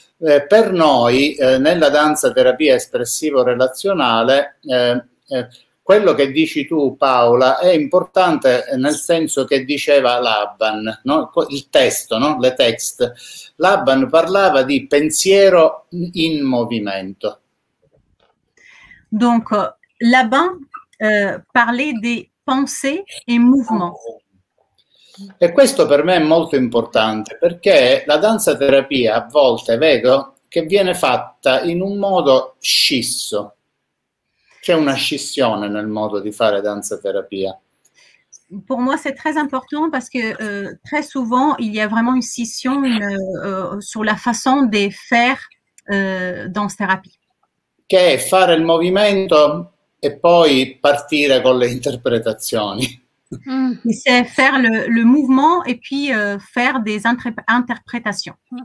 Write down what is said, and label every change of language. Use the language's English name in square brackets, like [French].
[Italian] Per noi, nella danza terapia espressivo-relazionale, quello che dici tu, Paola, è importante nel senso che diceva Laban, no? Il testo, no? [French] Le text. [Italian] Laban parlava di pensiero in movimento. [French] Donc, Laban parlait des pensées en mouvement. [Italian] E questo per me è molto importante, perché la danza terapia a volte vedo che viene fatta in un modo scisso. C'è una scissione nel modo di fare danza terapia. [French] Pour moi c'est très important parce que très souvent il y a vraiment une scission sur la façon de faire danza terapia. [Italian] Che è fare il movimento e poi partire con le interpretazioni. [French] C'est faire le mouvement et puis faire des interprétations.